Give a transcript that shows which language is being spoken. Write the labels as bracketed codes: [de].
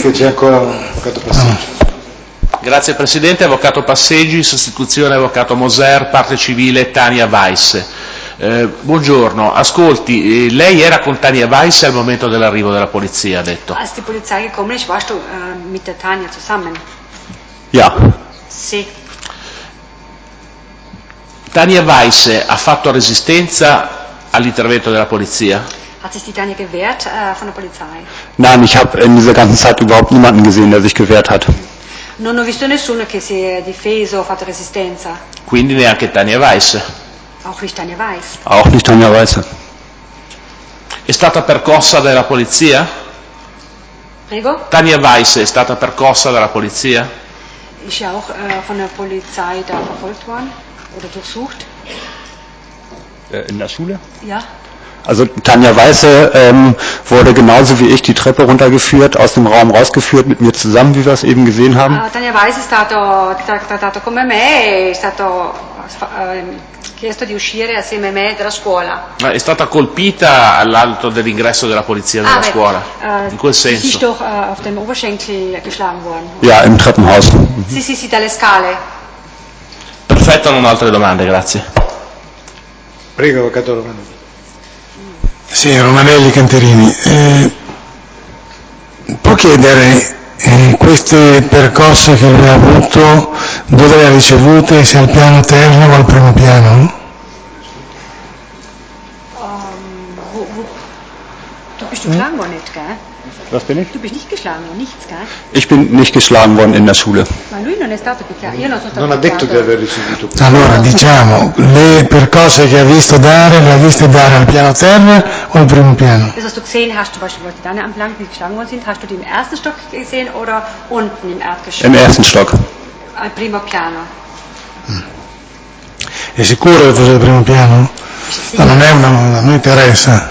[it] Che c'è ancora un avvocato passaggio. Grazie Presidente, Avvocato Passeggi, sostituzione Avvocato Moser, parte civile Tania Weiss. Buongiorno, ascolti, lei era con Tania Weiss al momento dell'arrivo della polizia, ha detto. [de] Als die Polizei gekommen ist, warst du mit der Tania zusammen? Ja. [it] Sì. Tania Weiss ha fatto resistenza all'intervento della polizia? [de] Hat sich die Tania gewehrt von der Polizei? Nein, ich habe in dieser ganzen Zeit überhaupt niemanden gesehen, der sich gewehrt hat. [it] Non ho visto nessuno che si è difeso o fatto resistenza. Quindi neanche Tania Weiss. [de] Auch nicht Tania Weiss. Auch nicht Tania Weiss. [it] È stata percossa dalla polizia? Prego. Tania Weiss è stata percossa dalla polizia? [de] Ist auch von der Polizei da verfolgt worden oder durchsucht? In der Schule? Ja. Also Tania Weiss wurde genauso wie ich die Treppe runtergeführt, aus dem Raum rausgeführt, mit mir zusammen, wie wir es eben gesehen haben. [it] Tania Weiss è stato trattato come me, è stato chiesto di uscire assieme a me dalla scuola. Ma è stata colpita all'alto dell'ingresso della polizia nella scuola, in quel senso. [de] Sie ist doch auf dem Oberschenkel geschlagen worden. Ja, im Treppenhaus. [it] Sì, sì, sì, dalle scale. Perfetto, non ho altre domande, grazie. Prego, Avvocato Romanelli. Sì, Romanelli Canterini. Può chiedere queste percosse che lui ha avuto, dove le ha ricevute, se al piano terra o al primo piano? [de] Tu bist geschlagen worden, nicht, gell? Was bin ich? Du bist nicht geschlagen worden, nichts, gell? Ich bin nicht geschlagen worden in der Schule. [it] Ma lui non è stato picchiato. Io non sono stato. Non ha detto di aver ricevuto. Allora, diciamo, le percosse che ha visto dare, le ha viste dare al piano terra o al primo piano? [de] Das hast du gesehen, hast du beispielsweise die Dane am Plank nicht geschlagen worden sind, hast du die im ersten Stock gesehen oder unten im Erdgeschoss? Im ersten Stock. [it] Al primo piano. È sicuro che fosse al primo piano? Sì. Non è una domanda, non interessa.